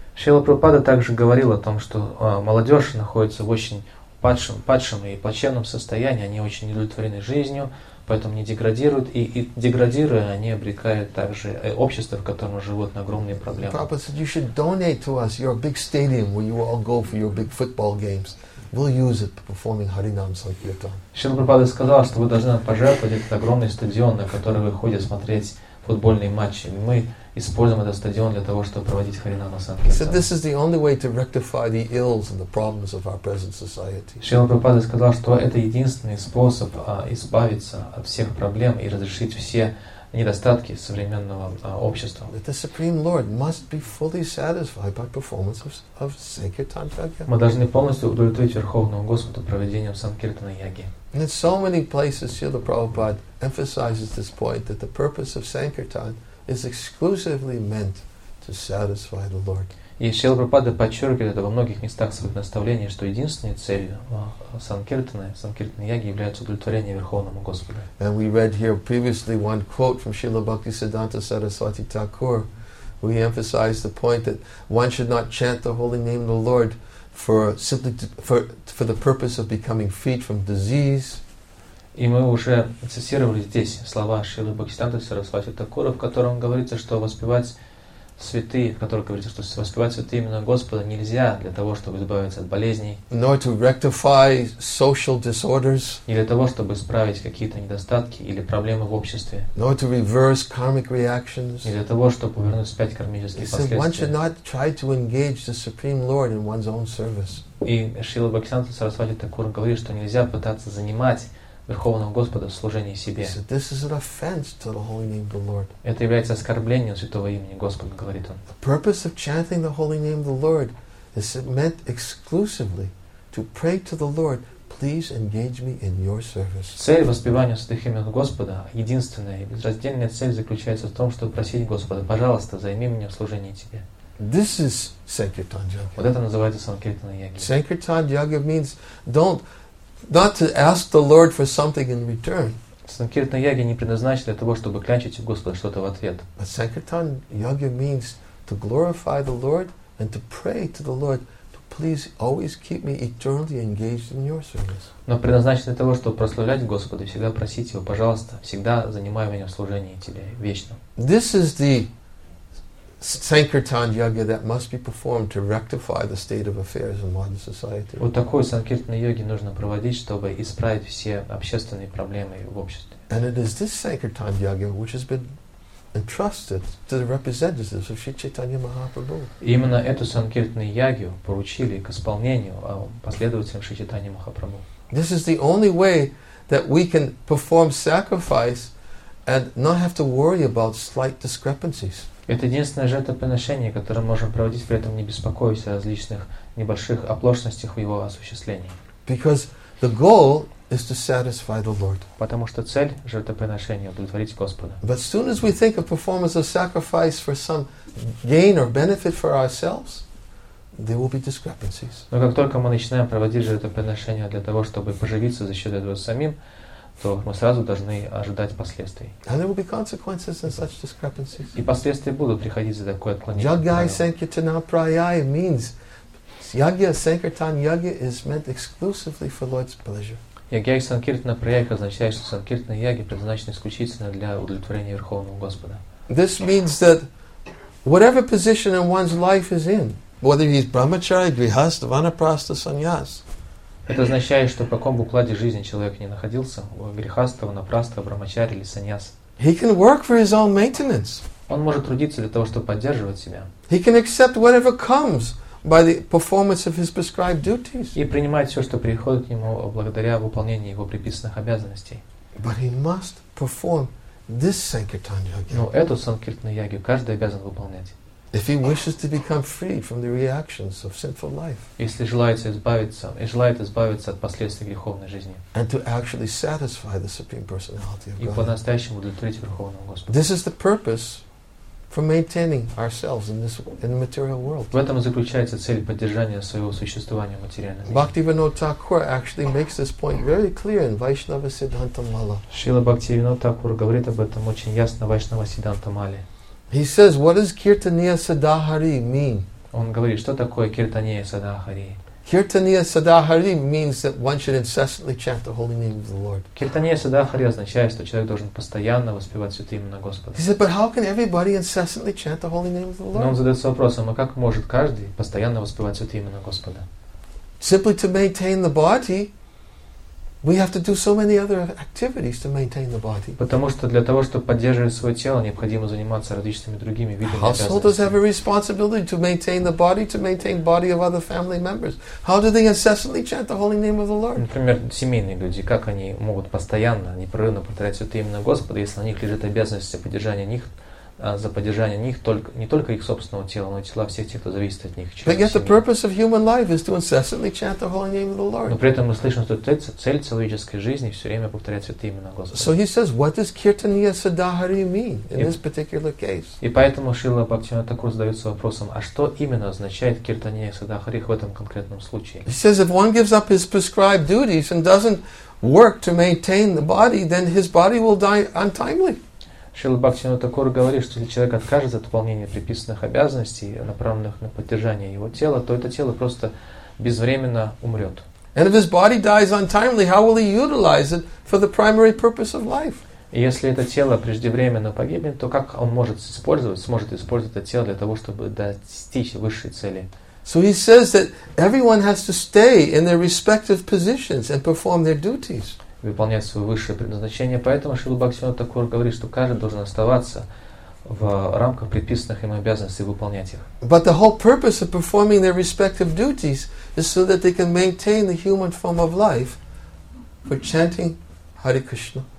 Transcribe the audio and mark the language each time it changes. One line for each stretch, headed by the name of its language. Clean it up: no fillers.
Russian: Шрила Прабхупада также говорил о том, что молодежь находится в очень падшем и плачевном состоянии, они очень недовольны жизнью, поэтому не деградируют, и деградируя, они обрекают также общество, в котором живут, на огромные проблемы.
English: Prabhupada said, you should donate to us your big stadium where you all go for your big football games. We'll use it for performing Harinam Sankirtan.
Russian: Шрила Прабхупада сказал, что вы должны пожертвовать этот огромный стадион, на который вы ходите смотреть футбольные матчи. Мы используем этот стадион для того, чтобы проводить Харинама Санкхирта. Шрила Прабхупада сказал, что это единственный способ избавиться от всех проблем и разрешить все недостатки современного общества. Мы должны полностью удовлетворить Верховного Господа проведением Санкхиртана Яги.
English: And in so many places, Srila Prabhupada emphasizes this point that the purpose of Sankirtan is exclusively meant to satisfy the Lord.
Russian: И Шрила Прабхупада подчеркивает это во многих местах своих наставлений, что единственной целью Санкиртаны, Санкиртаны Яги, является удовлетворение Верховному Господу.
English: And we read here previously one quote from Srila Bhaktisiddhanta Saraswati Thakur, where he emphasized the point that one should not chant the holy name of the Lord for the purpose of becoming freed from disease.
Russian: И мы уже цитировали здесь слова Шрилы Бхактисиддханты Сарасвати Такура, в котором говорится, что воспевать святые, в котором говорится, что воспевать святые именно Господа нельзя для того, чтобы избавиться от болезней.
English: Nor to rectify social disorders.
Russian: Не для того, чтобы исправить какие-то недостатки или проблемы в обществе.
English: Nor to reverse karmic reactions.
Russian: Не для того, чтобы повернуть вспять кармические последствия.
English: One should not try to engage the Supreme Lord in one's own service.
Russian: И Шрила Бхактисиддханта Сарасвати Такура говорит, что нельзя пытаться занимать Верховного Господа в служении себе.
English: So this is an offense to the holy name of the Lord.
Russian: Это является оскорблением святого имени Господа, говорит он.
English: The purpose of chanting the holy name of the Lord is meant exclusively to pray to the Lord, please engage me in your service.
Russian: Цель воспевания святых имен Господа, единственная и безраздельная цель, заключается в том, чтобы просить Господа, пожалуйста, займи меня в служении тебе.
English: This is Sankirtan Yagya.
Russian: Вот это называется Санкиртана Яги.
English: Sankirtan Yagya means not to ask the Lord for something in return.
Russian: Санкиртана Яги не предназначена для того, чтобы клянчить у Господа что-то в ответ.
English: But Sankirtan Yagya means to glorify the Lord and to pray to the Lord to please always keep me eternally engaged in your service.
Russian: Но предназначена для того, чтобы прославлять Господа и всегда просить Его, пожалуйста, всегда занимай меня в служении Тебе вечно.
English: This is the sankirtan yoga that must be performed to rectify the state of affairs in modern society.
Russian: Вот такой санкиртан йоги нужно проводить, чтобы исправить все общественные проблемы в обществе.
English: And it is this sankirtan yoga which has been entrusted to the representatives of Sri Chaitanya Mahaprabhu.
Russian: Именно эту санкиртану йогу поручили к исполнению последователям Шри Чайтаньи Махапрабху.
English: This is the only way that we can perform sacrifice and not have to worry about slight discrepancies.
Russian: Это единственное жертвоприношение, которое можем проводить, при этом не беспокоясь о различных небольших оплошностях в его осуществлении.
English: Because the goal is to satisfy the Lord.
Russian: Потому что цель жертвоприношения удовлетворить Господа.
English: But as soon as we think of performance of sacrifice for some gain or benefit for ourselves, there will be discrepancies.
Russian: Но как только мы начинаем проводить жертвоприношение для того, чтобы поживиться за счет этого самим, то мы сразу должны ожидать последствий.
English: And there will be consequences in such discrepancies.
Russian: И последствия будут приходить за такое отклонение.
Sanskrit: Yagya sankirtana prayai
English: means yagya sankirtan yagya is meant exclusively for Lord's pleasure.
Sanskrit: Yagya sankirtana prayai
Russian: означает, что санкиртана йога предназначена исключительно для удовлетворения Верховного Господа.
English: This means that whatever position in one's life is in, whether he's brahmachari, grihastha, vanaprastha, sannyas.
Russian: Это означает, что в каком бы укладе жизни человек ни находился, грехастого, напрасто, брамачари или саньяс.
English: He can work for his own maintenance.
Russian: Он может трудиться для того, чтобы поддерживать себя.
English: He can accept whatever comes by the performance of his prescribed duties.
Russian: И принимать все, что приходит к нему благодаря выполнению его приписанных обязанностей.
English: But he must perform this sankirtan yoga.
Russian: Но эту санкиртану йогу каждый обязан выполнять.
English: If he wishes to become free from the reactions of sinful life,
Russian: если желается избавиться, и желает избавиться от последствий греховной жизни,
English: and to actually satisfy the supreme personality of God,
Russian: и по-настоящему удовлетворить Верховного Господа,
English: this is the purpose for maintaining ourselves in the material world.
Russian: В этом и заключается цель поддержания своего существования в материальном мире.
English: Bhaktivinoda Thakur actually makes this point very clear in Vaishnava Siddhanta Mala.
Russian: Шрила Бхактивинода Такур говорит об этом очень ясно в Вайшнава Сиддханта Мале.
English: He says, "What does
Sanskrit: kirtaniya sadahari
English: mean?"
Russian: Он говорит, что такое
Sanskrit: kirtaniya sadahari? Kirtaniya sadahari
English: means that one should incessantly chant the holy name of the Lord.
Sanskrit: Kirtaniya sadahari
Russian: означает, что человек должен постоянно воспевать святое имя Господа.
English: He said, "But how can everybody incessantly chant the holy name of the Lord?"
Russian: Но он задается вопросом, а как может каждый постоянно воспевать святое имя Господа?
English: Simply to maintain the body. We have to do so many other activities to maintain the body.
Russian: Потому что для того, чтобы поддерживать свое тело, необходимо заниматься различными другими видами обязанностей.
English: Householders have a responsibility to maintain the body, to maintain body of other family members. How do they incessantly chant the holy name of the Lord?
Russian: Например, семейные люди, как они могут постоянно, непрерывно повторять святое имя Господа, если на них лежит обязанность поддержания них, за поддержание них только, не только их собственного тела, но и тела всех тех, кто зависит от них.
English: But yet the purpose of human life is to incessantly chant the holy name of the Lord.
Russian: Но при этом мы слышим, что цель человеческой жизни все время повторять святое имя Господа.
English: So he says, what does
Sanskrit: kirtaniya sadahari
English: mean in this particular case?
Russian: И поэтому Шрила Бхактивинода Такур задается вопросом, а что именно означает
Sanskrit: kirtaniya sadahari
Russian: в этом конкретном случае?
English: He says, if one gives up his prescribed duties and doesn't work to maintain the body, then his body will die untimely.
Russian: Шрила Бхактивинода Такур говорит, что если человек откажется от выполнения приписанных обязанностей, направленных на поддержание его тела, то это тело просто безвременно умрет.
English: And if his body dies untimely, how will he utilize it for the primary purpose of life?
Russian: И если это тело преждевременно погибнет, то как он может использовать, сможет использовать это тело для того, чтобы достичь высшей цели?
English: So he says that everyone has to stay in their respective positions and perform their duties.
Russian: Выполнять свое высшее предназначение. Поэтому Шрила Бхактивинода Такур говорит, что каждый должен оставаться в рамках предписанных им обязанностей и выполнять их.
English: But the whole purpose of performing their respective duties is so that they can maintain the human form of life for chanting Hare Krishna.